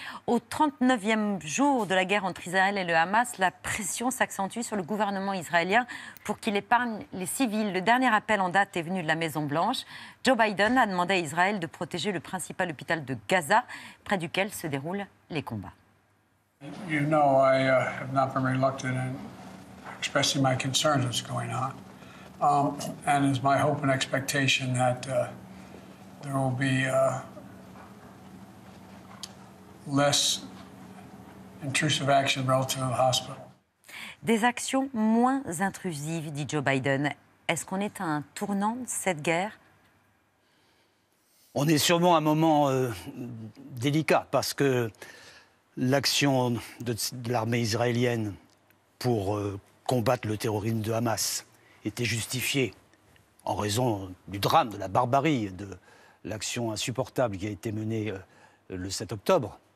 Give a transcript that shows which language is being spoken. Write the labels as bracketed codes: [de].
[fr] Au 39e jour de la guerre entre Israël et le Hamas, la pression s'accentue sur le gouvernement israélien pour qu'il épargne les civils. Le dernier appel en date est venu de la Maison-Blanche. Joe Biden a demandé à Israël de protéger le principal hôpital de Gaza, près duquel se déroulent les combats. [en] You know, I have not been reluctant in expressing my concerns what's going on. And it's my hope and expectation that there will be less intrusive action relative to the hospital. [fr] Des actions moins intrusives, dit Joe Biden. Est-ce qu'on est à un tournant de cette guerre? On est sûrement à un moment délicat parce que l'action de l'armée israélienne pour combattre le terrorisme de Hamas était justifiée en raison du drame, de la barbarie, de l'action insupportable qui a été menée le 7 octobre.